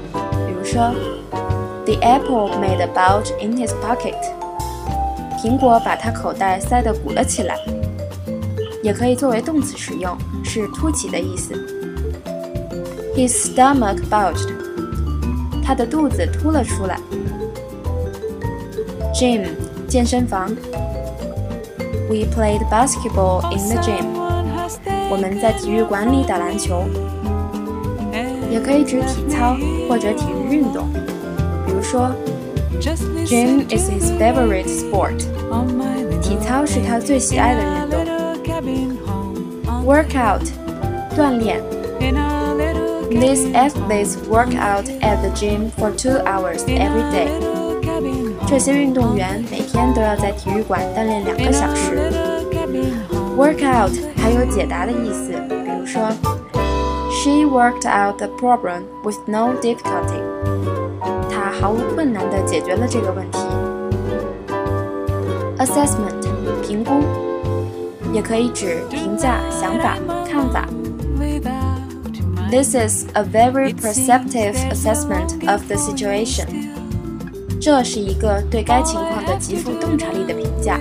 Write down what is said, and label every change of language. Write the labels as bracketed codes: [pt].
[zh] 比如说 [en] ，The apple made a bulge in his pocket. [zh] 苹果把他口袋塞得鼓了起来。也可以作为动词使用，是凸起的意思。 [en] His stomach bulged. [zh] 他的肚子凸了出来。 [en] Gym, [zh] 健身房。 [en] We played basketball in the gym. [zh] 我们在体育馆里打篮球。也可以指体操或者体育运动。比如说 [en] ,Gym is his favorite sport. [zh] 体操是他最喜爱的运动。 [en] Workout, [zh] 锻炼。 [en] These athletes work out at the gym for 2 hours every day. [zh] 这些运动员每天都要在体育馆锻炼两个小时。 [en] Workout [zh] 还有解答的意思，比如说 [en] She worked out the problem with no difficulty. [zh] 她毫无困难地解决了这个问题。 Assessment 评估，也可以指评价、想法、看法。 [en] This is a very perceptive assessment of the situation. [zh] 这是一个对该情况的极富洞察力的评价。